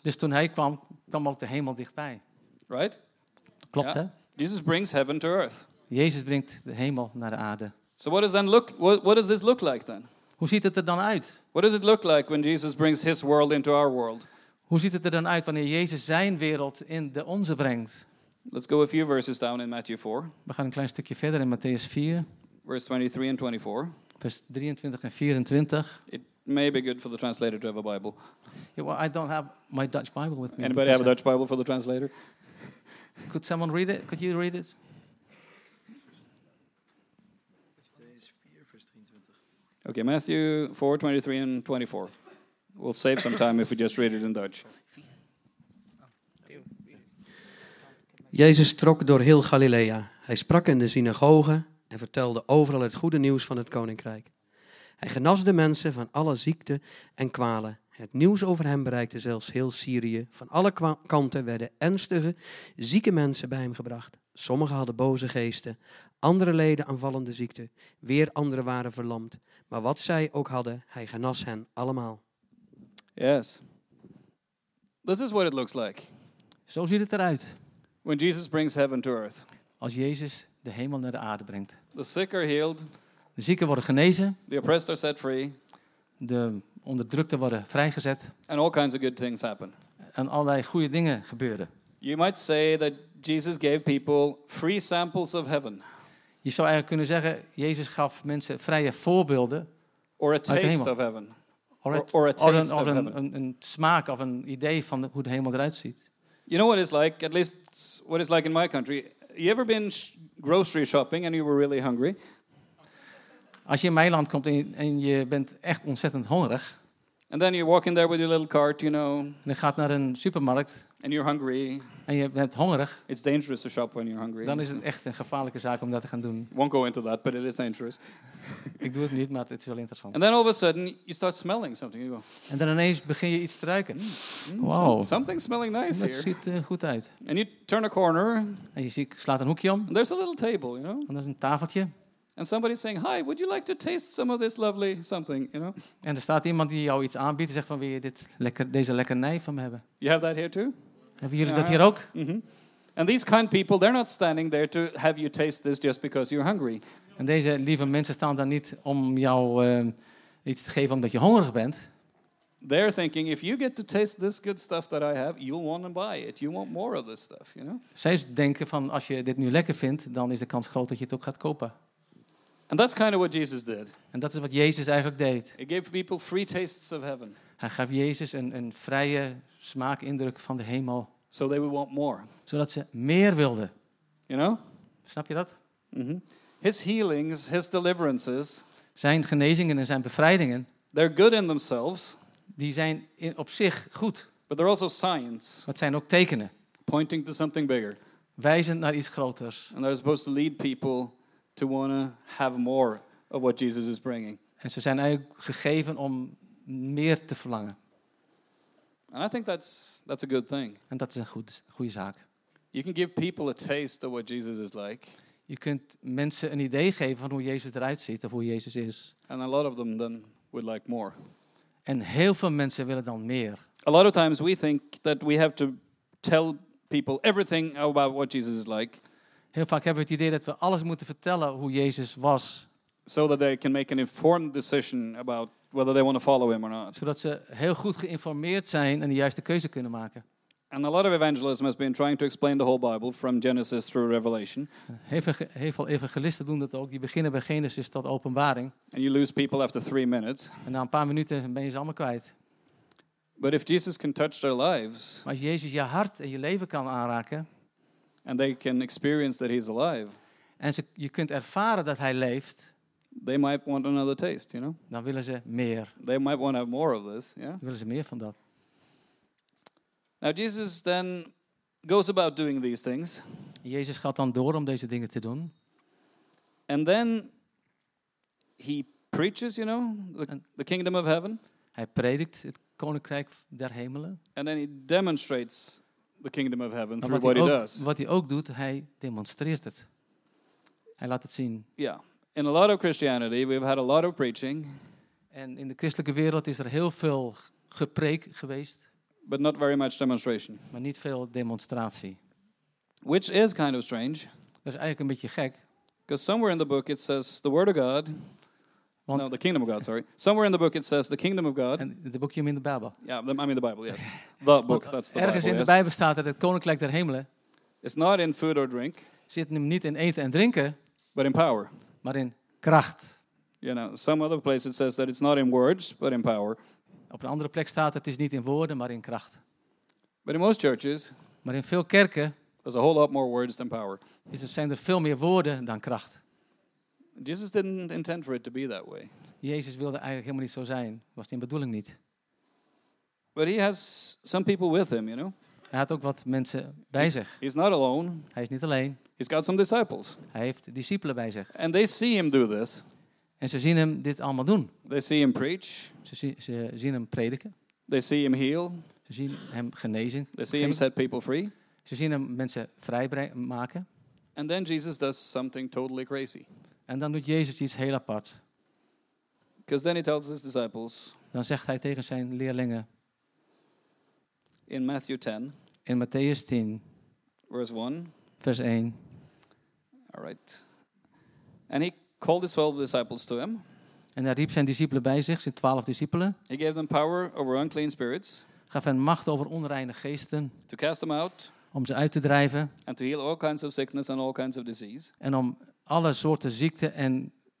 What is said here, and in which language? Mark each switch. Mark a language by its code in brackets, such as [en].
[nl] Dus toen hij kwam, kwam ook de hemel dichtbij. [en] Right? [nl] Klopt, yeah. Hè? [en] Jesus brings heaven to earth. [nl] Jezus brengt de hemel naar de aarde. [en] So what does then look? What does this look like then? [nl] Hoe ziet het er dan uit? [en] What does it look like when Jesus brings his world into our world? [nl] Hoe ziet het er dan uit wanneer Jezus zijn wereld in de onze brengt? [en] Let's go a few verses down in Matthew 4. [nl] We gaan een klein stukje verder in Matthäus 4. [en] Verse 23 and 24. [nl] Vers 23 en 24. [en] It may be good for the translator to have a Bible. Yeah, well, I don't have my Dutch Bible with me. Anybody have a Dutch Bible for the translator? Could someone read it? Could you read it? Okay, Matthew 4, 23 and 24. We'll save some time if we just read it in Dutch. [nl] Jezus trok door heel Galilea. Hij sprak in de synagogen en vertelde overal het goede nieuws van het koninkrijk. Hij genas de mensen van alle ziekten en kwalen. Het nieuws over hem bereikte zelfs heel Syrië. Van alle kanten werden ernstige, zieke mensen bij hem gebracht. Sommigen hadden boze geesten, andere leden aanvallende ziekten, weer anderen waren verlamd. Maar wat zij ook hadden, hij genas hen allemaal. [en] Yes. This is what it looks like. [nl] Zo ziet het eruit. [en] When Jesus brings heaven to earth. [nl] Als Jezus de hemel naar de aarde brengt. [en] The sick are healed. [nl] De zieken worden genezen. [en] The oppressed are set free. [nl] De onderdrukten worden vrijgezet. [en] And all kinds of good things happen. [nl] En allerlei goede dingen gebeuren. [en] You might say that Jesus gave people free samples of heaven. [nl] Je zou eigenlijk kunnen zeggen, Jezus gaf mensen vrije voorbeelden. [en] Or a taste of heaven. [nl] Of een smaak of een idee van hoe de hemel eruit ziet. [en] You know what it's like, at least what it's like in my country. You ever been grocery shopping and you were really hungry? [nl] Als je in mijn land komt en je bent echt ontzettend hongerig. [en] And then you walk in there with your little cart, you know. [nl] En je gaat naar een supermarkt. [en] And you're hungry. [nl] En je bent hongerig. [en] It's dangerous to shop when you're hungry. [nl] Dan is het echt een gevaarlijke zaak om dat te gaan doen. [en] Won't go into that, but it is dangerous. [nl] Ik doe het niet, maar het is wel interessant. [en] And then all of a sudden, you start smelling something. [nl] En dan ineens begin je iets te ruiken. [en] Wow. Something smelling nice here. [nl] Dat ziet goed uit. [en] And you turn a corner. [nl] En je slaat een hoekje om. [en] And there's a little table, you know. [nl] En er is een tafeltje. [en] And somebody's saying, hi, would you like to taste some of this lovely something, you know? [nl] En er staat iemand die jou iets aanbiedt en zegt van, wil je dit lekker, deze lekkernij van me hebben? [en] You have that here too? [nl] Hebben jullie dat hier ook? Mm-hmm. [en] And these kind people, they're not standing there to have you taste this just because you're hungry. [nl] En deze lieve mensen staan daar niet om jou iets te geven omdat je hongerig bent. [en] They're thinking, if you get to taste this good stuff that I have, you'll want to buy it. You want more of this stuff, you know? [nl] Zij denken van, als je dit nu lekker vindt, dan is de kans groot dat je het ook gaat kopen. [en] And that's kind of what Jesus did. [nl] En dat is wat Jezus eigenlijk deed. [en] He gave people free tastes of heaven. [nl] Hij gaf Jezus een vrije smaakindruk van de hemel. [en] So they would want more. [nl] Zodat ze meer wilden. [en] You know? [nl] Snap je dat? Mm-hmm. [en] His healings, his deliverances. [nl] Zijn genezingen en zijn bevrijdingen. [en] They're good in themselves. [nl] Die zijn op zich goed. [en] But they're also signs. [nl] Dat zijn ook tekenen. [en] Pointing to something bigger. [nl] Wijzend naar iets groters. [en] And they're supposed to lead people to want to have more of what Jesus is bringing. [nl] En ze zijn eigenlijk gegeven om meer te verlangen. [en] And I think that's a good thing. [nl] En dat is een goede zaak. [en] You can give people a taste of what Jesus is like. [nl] Je kunt mensen een idee geven van hoe Jezus eruit ziet of hoe Jezus is. [en] And a lot of them then would like more. [nl] En heel veel mensen willen dan meer. [en] A lot of times we think that we have to tell people everything about what Jesus is like. [nl] Heel vaak hebben we het idee dat we alles moeten vertellen hoe Jezus was. [en] So that they can make an informed decision about whether they want to follow him or not. [nl] Zodat ze heel goed geïnformeerd zijn en de juiste keuze kunnen maken. [en] And a lot of evangelism has been trying to explain the whole Bible from Genesis through Revelation. [nl] Heel veel evangelisten doen dat ook. Die beginnen bij Genesis tot Openbaring. [en] And you lose people after 3 minutes. [nl] En na een paar minuten ben je ze allemaal kwijt. [en] But if Jesus can touch their lives. [nl] Maar als Jezus je hart en je leven kan aanraken. [en] And they can experience that he's alive. [nl] En ze, je kunt ervaren dat hij leeft. [en] They might want another taste, you know. [nl] Dan willen ze meer. [en] They might want to have more of this, yeah. [nl] Dan willen ze meer van dat. [en] Now Jesus then goes about doing these things. [nl] Jezus gaat dan door om deze dingen te doen. [en] And then he preaches, you know, the kingdom of heaven. [nl] Hij predikt het koninkrijk der hemelen. [en] And then he demonstrates the kingdom of heaven through what he does. [nl] Wat hij ook doet, hij demonstreert het. Hij laat het zien. [en] Yeah. In a lot of Christianity, we've had a lot of preaching. [nl] En in de christelijke wereld is er heel veel gepreek geweest. [en] But not very much demonstration. [nl] Maar niet veel demonstratie. [en] Which is kind of strange. [nl] Dat is eigenlijk een beetje gek. [en] Because somewhere in the book it says the word of God. Want no, the kingdom of God, sorry. Somewhere in the book it says the kingdom of God. And the book you mean the Bible. Yeah, I mean the Bible, yes. The book, that's the [nl] ergens [en] Bible, [nl] in [en] yes. [nl] De Bijbel staat dat het koninkrijk der hemelen. [en] It's not in food or drink. [nl] Zit hem niet in eten en drinken. [en] But in power. [nl] Maar in kracht. [en] You know, some other place it says that it's not in words, but in power. [nl] Op een andere plek staat het is niet in woorden, maar in kracht. [en] But in most churches, [nl] maar in veel kerken, [en] there's a whole lot more words than power. [nl] Is er, zijn er veel meer woorden dan kracht. [en] Jesus didn't intend for it to be that way. [nl] Jezus wilde eigenlijk helemaal niet zo zijn. Was die bedoeling niet. [en] But he has some people with him, you know? [nl] Hij had ook wat mensen bij zich. [en] He's not alone. [nl] Hij is niet alleen. [en] He's got some disciples. [nl] Hij heeft discipelen bij zich. [en] And they see him do this. [nl] En ze zien hem dit allemaal doen. [en] They see him preach. [nl] Ze zien hem prediken. [en] They see him heal. [nl] Ze zien hem genezen. [en] They see him set people free. [nl] Ze zien hem mensen vrij maken. [en] And then Jesus does something totally crazy. [nl] En dan doet Jezus iets heel apart. [en] Because then he tells his disciples. [nl] Dan zegt hij tegen zijn leerlingen. [en] In Matthew 10. [nl] In Matthäus 10. [en] Verse 1. [nl] Vers 1. [en] All right. And he called his 12 disciples to him. [nl] En hij riep zijn discipelen bij zich, zijn 12 discipelen. [en] He gave them power over unclean spirits. [nl] Gaf hen macht over onreine geesten. [en] To cast them out. [nl] Om ze uit te drijven. [en] And to heal all kinds of sickness and all kinds of disease. [nl] En om alle soorten ziekte en